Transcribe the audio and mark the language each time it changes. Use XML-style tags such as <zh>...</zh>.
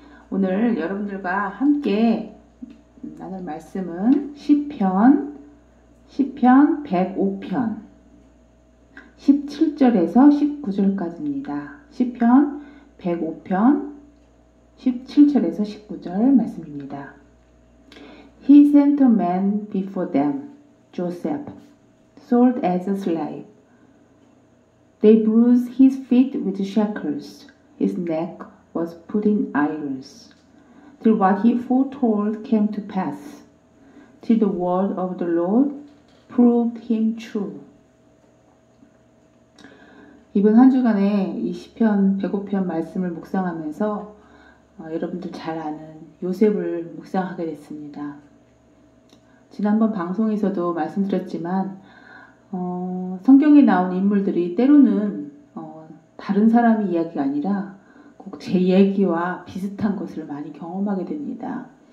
<ko>오늘 여러분들과 함께 나눌 말씀은 시편 105편 17절에서 19절까지입니다. 시편 105편 17절에서 19절 말씀입니다.</ko> <en>He sent a man before them, Joseph, sold as a slave. They bruised his feet with shackles. His neck was put in irons. Till what he foretold came to pass, till the word of the Lord proved him true.</en> <ko>이번 한 주간에 이 시편 105편 말씀을 묵상하면서 여러분들 잘 아는 요셉을 묵상하게 됐습니다. 지난번 방송에서도 말씀드렸지만 성경에 나온 인물들이 때로는 다른 사람의 이야기가 아니라 꼭 제 이야기와 비슷한 것을 많이 경험하게 됩니다.</ko>